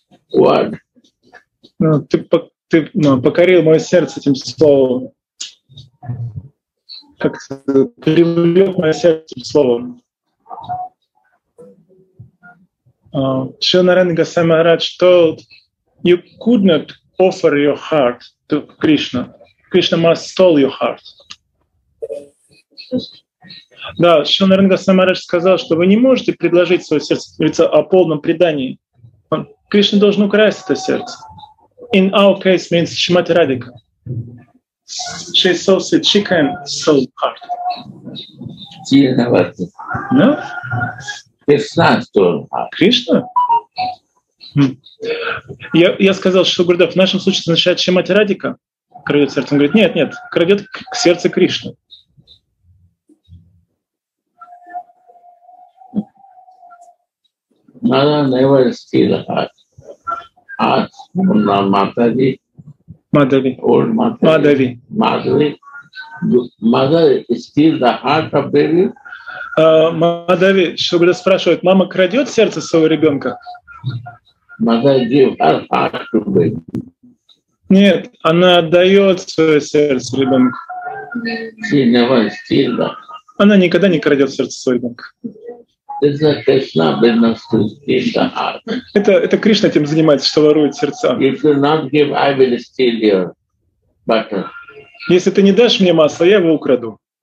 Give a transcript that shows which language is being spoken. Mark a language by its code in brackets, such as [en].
[ru] Ты покорил мое сердце этим словом. Как ты привлек мое сердце этим словом. [en] Shilnaren Goswami Maharaj told, you could not offer your heart to Krishna. Krishna must stole your heart. [ru] Да, Shilnaren Goswami Maharaj сказал, что вы не можете предложить свое сердце о полном предании. Кришна должен украсть это сердце. [en] In our case means Shrimati Radhika. She so sweet, she can stole your heart. No? Krishna stole heart. Krishna? [ru] Я сказал, что Гурдев, в нашем случае означает Шримати Радика крадет сердце. Он говорит, нет, крадет к сердце Кришны. [en] Mother never steal heart. Heart, Матави. Матави. Old Матави. Матави. Mother steal the heart of baby. [ru] Мадави, что Гурдев спрашивает, мама крадет сердце своего ребенка? [en] Mother give her heart to baby. [ru] Нет, она отдает свое сердце ребенку. [en] She never steal the heart. [ru] Она никогда не крадет сердце своего ребенка. [en] It's a Krishna business to steal the heart. [ru] Это Кришна этим занимается, что ворует сердца. [en] If you not give, I will steal your butter. [ru] Если ты не дашь мне масло, я его украду.